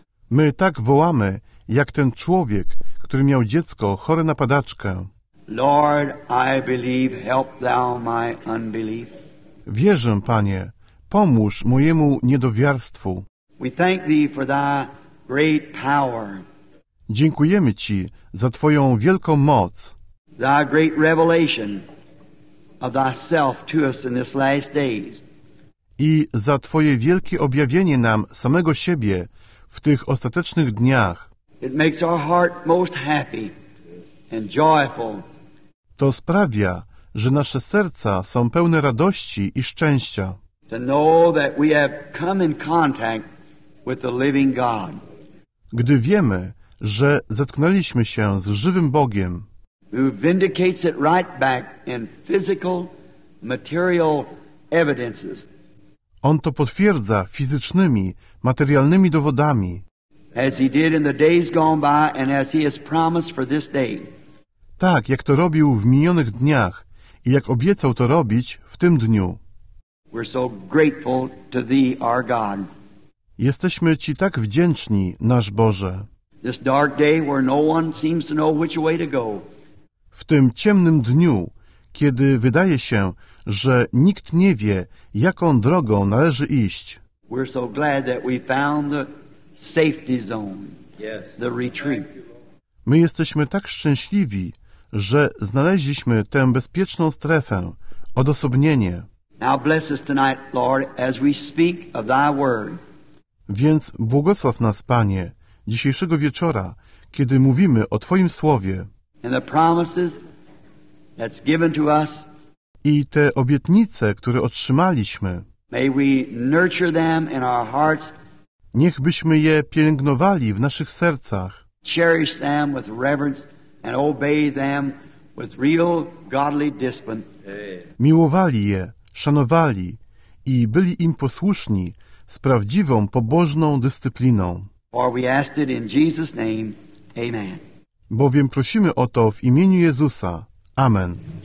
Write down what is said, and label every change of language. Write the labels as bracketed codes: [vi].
[pl] My tak wołamy, jak ten człowiek, który miał dziecko chore na padaczkę. [en] Lord, I believe, help thou my unbelief. [pl] Wierzę, Panie, pomóż mojemu niedowiarstwu. [en] We thank thee for thy great power. [pl] Dziękujemy Ci za Twoją wielką moc. [en] Thy great revelation of thyself to us in this last days. [pl] I za Twoje wielkie objawienie nam samego siebie w tych ostatecznych dniach. [en] It makes our heart most happy and joyful. [pl] To sprawia, że nasze serca są pełne radości i szczęścia. [en] To know that we have come in contact with the living God. [pl] Gdy wiemy, że zetknęliśmy się z żywym Bogiem, [en] who vindicates it right back in physical, material evidences. [pl] On to potwierdza fizycznymi, materialnymi dowodami. [en] As he did in the days gone by and as he has promised for this day. [pl] Tak, jak to robił w minionych dniach i jak obiecał to robić w tym dniu. [en] We're so grateful to thee, our God. [pl] Jesteśmy Ci tak wdzięczni, nasz Boże. [en] This dark day where no one seems to know which way to go. [pl] W tym ciemnym dniu, kiedy wydaje się, że nikt nie wie, jaką drogą należy iść, [en] we're so glad that we found the safety zone, the retreat. [pl] My jesteśmy tak szczęśliwi, że znaleźliśmy tę bezpieczną strefę, odosobnienie. [en] Now bless us tonight, Lord, as we speak of thy word. [pl] Więc błogosław nas, Panie, dzisiejszego wieczora, kiedy mówimy o Twoim Słowie. [en] And the promises that's given to us. [pl] I te obietnice, które otrzymaliśmy. [en] May we nurture them in our hearts. [pl] Niech byśmy je pielęgnowali w naszych sercach. [en] Cherish them with reverence and obey them with real godly discipline. [pl] Miłowali je, szanowali i byli im posłuszni z prawdziwą, pobożną dyscypliną. [en] For we ask it in Jesus' name. Amen. [pl] Bowiem prosimy o to w imieniu Jezusa. Amen.